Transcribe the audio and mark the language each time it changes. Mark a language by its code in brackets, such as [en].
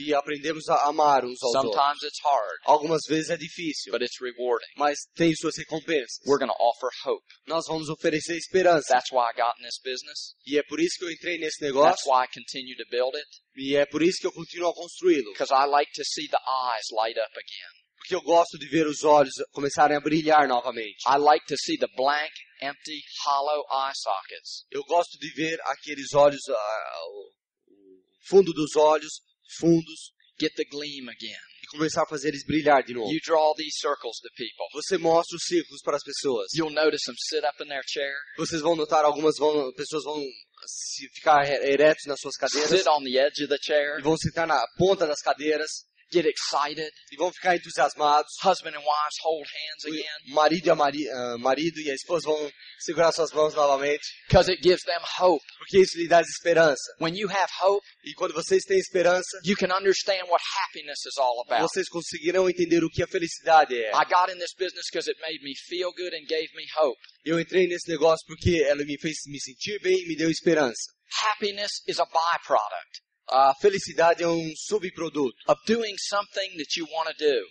[pt] E aprendemos a amar uns aos [en] Sometimes [pt] outros. [en] It's hard, [pt] algumas vezes é difícil. [en] But it's rewarding. [pt] Mas tem suas recompensas. [en] We're gonna offer hope. [pt] Nós vamos oferecer esperança. [en] That's why I got in this business. [pt] E é por isso que eu entrei nesse negócio. [en] That's why I continue to build it. [pt] E é por isso que eu continuo a construí-lo. [en] Because I like to see the eyes light up again. [pt] Porque eu gosto de ver os olhos começarem a brilhar novamente. [en] I like to see the blank, empty, hollow eye sockets. [pt] Eu gosto de ver aqueles olhos, o fundo dos olhos, fundos. [en] Get the gleam again. [pt] E começar a fazer eles brilhar de novo. [en] You draw these circles to people. [pt] Você mostra os círculos para as pessoas. [en] You'll notice them sit up in their chair. [pt] Vocês vão notar pessoas vão ficar eretos nas suas cadeiras. [en] Sit on the edge of the chair. [pt] E vão sentar na ponta das cadeiras. [en] Get excited. [pt] E vão ficar entusiasmados. [en] Husband and wives hold hands again. [pt] Marido e a esposa vão segurar suas mãos novamente. [en] Because it gives them hope. [pt] Porque isso lhe dá esperança. [en] When you have hope, [pt] e quando vocês têm esperança, [en] you can understand what happiness is all about. [pt] Vocês conseguirão entender o que a felicidade é. [en] I got in this business because it made me feel good and gave me hope. [pt] Eu entrei nesse negócio porque ela me fez me sentir bem e me deu esperança. [en] Happiness is a byproduct. [pt] A felicidade é um subproduto. [en] Of doing something that you want to do.